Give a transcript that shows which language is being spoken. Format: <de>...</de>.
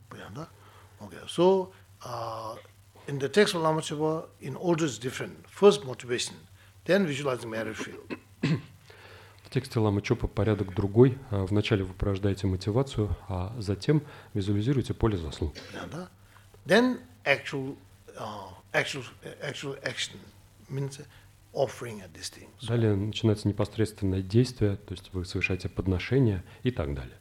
<ru>Понятно?</ru> <en>Okay. So in the text of Lama Chöpa, in order is different. First motivation, then visualizing merit field.</en> <ru>В тексте Ламы Чопа порядок другой. Вначале вы порождаете мотивацию, а затем визуализируете поле заслуг.</ru> <en>Then actual action means offering at this thing.</en> <ru>Далее начинается непосредственное действие, то есть вы совершаете подношение и так далее.</ru>